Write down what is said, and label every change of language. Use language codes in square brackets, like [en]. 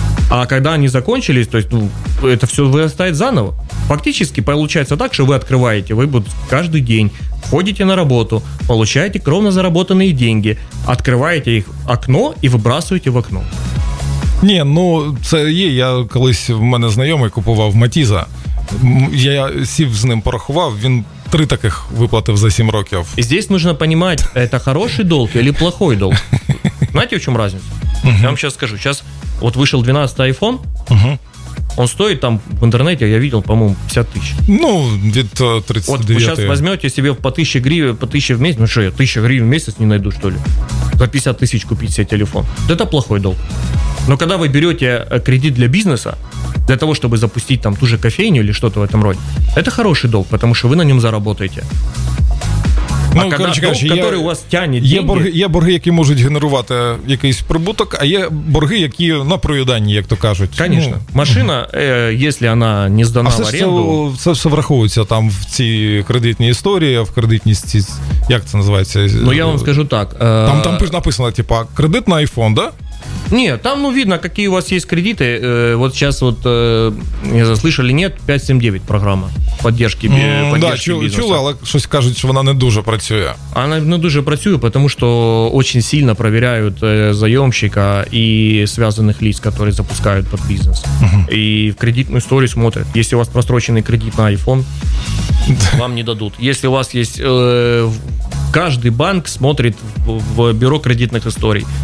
[ru] А когда они закончились, то есть, ну, это все вырастает заново. Фактически получается так, что вы открываете, вы каждый день ходите на работу, получаете кровно заработанные деньги, открываете их окно и выбрасываете в окно. [uk] Не, ну це є. Я колись, в мене знайомий купував Матіза. Я сів з ним, порахував, він 3 таких виплатив за 7 років. [ru] І здесь нужно понимать, это хороший долг или плохой долг. Знаете, в чем разница? Угу. Я вам сейчас скажу. Сейчас вот вышел 12-й айфон, угу. Он стоит там в интернете, я видел, по-моему, 50 тысяч. Ну, где-то 39. Вот вы сейчас возьмете себе по 1000 гривен, по 1000 в месяц. Ну что, я 1000 гривен в месяц не найду, что ли? За 50 тысяч купить себе телефон. Вот это плохой долг. Но когда вы берете кредит для бизнеса, для того, чтобы запустить там ту же кофейню или что-то в этом роде, это хороший долг, потому что вы на нем заработаете. А ну, короче, долг, короче, который у вас тянет деньги... [uk] Є борги, які можуть генерувати якийсь прибуток, а є борги, які на проїданні, як то кажуть. [ru] Конечно. Ну, машина, если она не сдана в аренду... [uk] Це все враховується там в цій кредитній історії, в кредитній стіці, як це називається? [ru] Ну, я вам скажу так. Там написано, типа, кредит на iPhone, да? [uk] Ні, там, ну, видно, які у вас є кредити. [ru] Вот сейчас вот, не знаю, слышали, нет, 579 программа поддержки бизнеса. [uk] Да, чули, але щось кажуть, що вона не дуже працює. [ru] Она [uk] не дуже працює, [ru] потому что очень сильно проверяют заемщика и связанных лиц, которые запускают под бизнес. И в кредитную историю смотрят. Если у вас просроченный кредит на iPhone, вам не дадут. Если у вас есть... Каждый банк смотрит в бюро кредитных историй.